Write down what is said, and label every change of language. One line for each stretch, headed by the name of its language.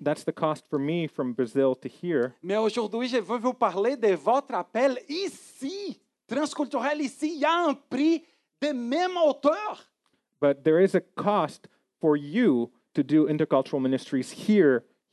English: That's the cost for me from Brazil to here.
French: Mais aujourd'hui, je veux vous parler de votre appel ici, transculturel ici. Il y a un prix de même hauteur.
English: But there is a cost for you to do intercultural ministries here.